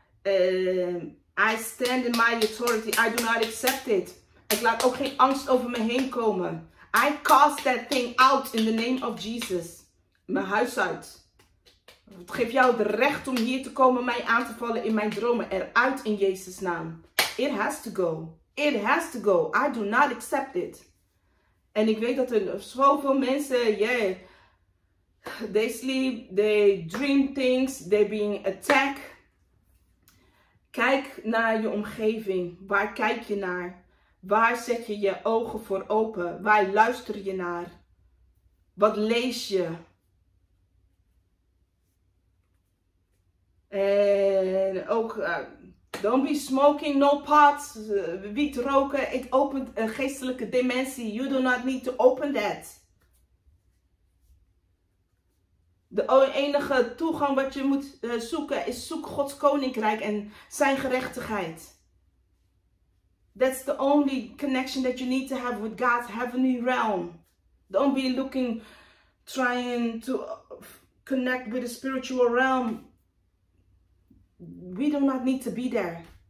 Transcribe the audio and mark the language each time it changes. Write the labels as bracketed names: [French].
[English] I stand in my authority. I do not accept it. [Dutch] Ik laat ook geen angst over me heen komen. [English] I cast that thing out in the name of Jesus. [Dutch] Mijn huis uit. Het geeft jou het recht om hier te komen, mij aan te vallen in mijn dromen. Eruit in Jezus' naam. [English] It has to go. It has to go. I do not accept it. [Dutch] En ik weet dat er zoveel mensen, [English] they sleep, they dream things, they being attacked. [Dutch] Kijk naar je omgeving. Waar kijk je naar? Waar zet je je ogen voor open? Waar luister je naar? Wat lees je? En ook, [English] don't be smoking, no pot. [Dutch] Wiet roken, [English] it [Dutch] opent een geestelijke dimensie. [English] You do not need to open that. [Dutch] De enige toegang wat je moet zoeken is zoek Gods koninkrijk en zijn gerechtigheid. [English] That's the only connection that you need to have with God's heavenly realm. Don't be looking, trying to connect with the spiritual realm. We do not need to be there.